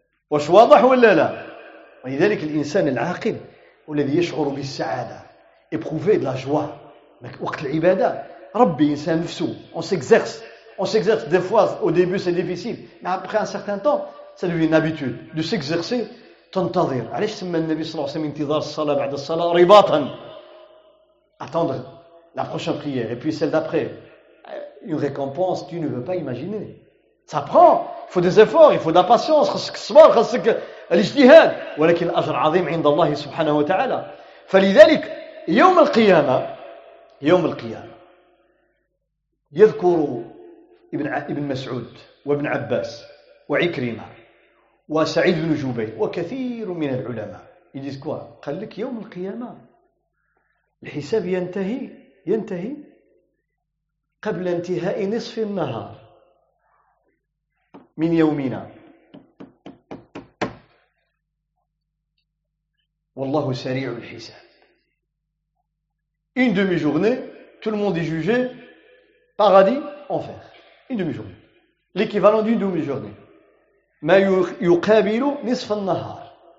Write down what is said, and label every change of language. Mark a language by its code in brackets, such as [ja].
[ar] واش واضح ولا لا ولذلك الانسان العاقل والذي يشعر بالسعاده ابروفي دو لا جوا وقت العباده ربي انسان نفسه [fr] on s'exerce des fois au début c'est difficile mais après un certain temps ça devient une habitude de s'exercer [ar] تنتظر علاش سمى النبي صلى الله عليه وسلم انتظار الصلاه بعد الصلاه رباطا [fr] attendre la prochaine prière et puis celle d'après une récompense tu ne veux pas imaginer ça prend Il faut des efforts, il faut de la patience, [ar] خصك الصبر, خصك الاجتهاد. ولكن الأجر عظيم عند الله سبحانه وتعالى. فلذلك يوم القيامة, يوم القيامة يذكر ابن مسعود وابن عباس وعكرمة وسعيد بن جبير وكثير من العلماء. قال لك يوم القيامة الحساب ينتهي قبل انتهاء نصف النهار. من يومنا والله سريع الحساب [fr] une demi-journée tout le monde est jugé paradis enfer une demi-journée l'équivalent d'une demi-journée [ar] ما يقابل نصف النهار